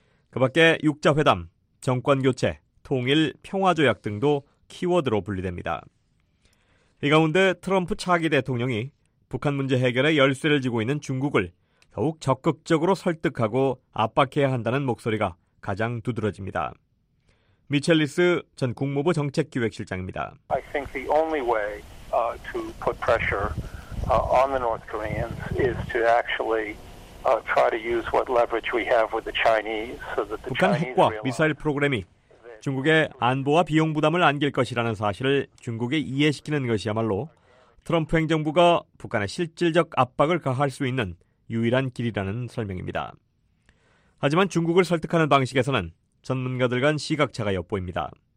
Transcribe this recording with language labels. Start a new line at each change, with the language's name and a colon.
Korean: 그 밖에 육자회담, 정권교체, 통일, 평화조약 등도 키워드로 분리됩니다. 이 가운데 트럼프 차기 대통령이 북한 문제 해결에 열쇠를 쥐고 있는 중국을 더욱 적극적으로 설득하고 압박해야 한다는 목소리가 가장 두드러집니다. 미첼리스 전 국무부 정책기획실장입니다.
English: I think the only way to put pressure on the North Koreans is to actually try to use what leverage we have with the Chinese so that the
Korean: 북한 핵과 미사일 프로그램이 중국의 안보와 비용 부담을 안길 것이라는 사실을 중국에 이해시키는 것이야말로 트럼프 행정부가 북한의 실질적 압박을 가할 수 있는 유일한 길이라는 설명입니다. 하지만 중국을 설득하는 방식에서는 전문가들 간 시각차가 엿보입니다.